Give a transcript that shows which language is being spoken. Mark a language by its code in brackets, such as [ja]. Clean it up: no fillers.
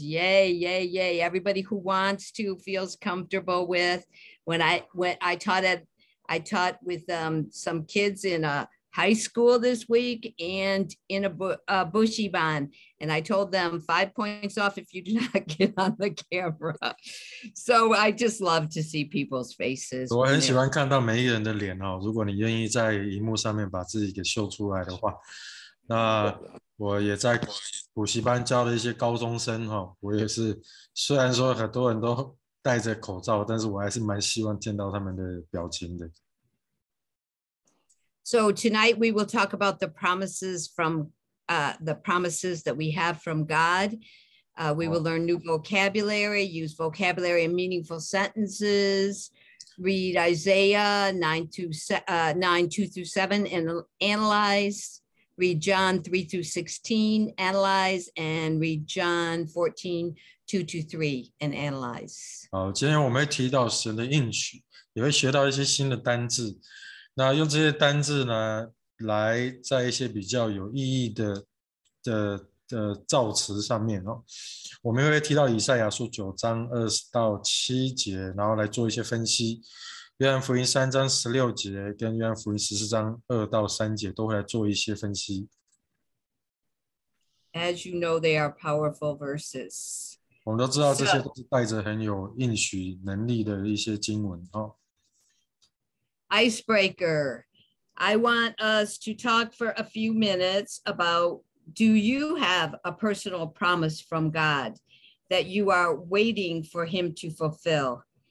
[en] Yay, yay, yay. Everybody who wants to feels comfortable with. When I taught with some kids in a high school this week and in a bushy bond. And I told them 5 points off if you do not get on the camera. So I just love to see people's faces. [zh] 我很喜欢看到每一个人的脸哦。如果你愿意在荧幕上面把自己给秀出来的话，那。我也在补习班教了一些高中生哈，我也是，虽然说很多人都戴着口罩，但是我还是蛮希望见到他们的表情的。 [en] So tonight we will talk about the promises from the promises that we have from God. We will learn new vocabulary, use vocabulary in meaningful sentences. Read Isaiah 9:2-7 and analyze. Read John 3-16, analyze, and read John 14:2-3, and analyze. [zh] 好，今天我们会提到神的应许，也会学到一些新的单字。那用这些单字呢，来在一些比较有意义的造词上面哦。我们会提到以赛亚书9:20-7，然后来做一些分析。约翰福音3:16跟约翰福音14:2-3都会来做一些分析。 [en] As you know, they are powerful verses. [zh] 我们都知道这些都是带着很有应许能力的一些经文。 [en] Icebreaker, I want us to talk for a few minutes about, do you have a personal promise from God that you are waiting for him to fulfill?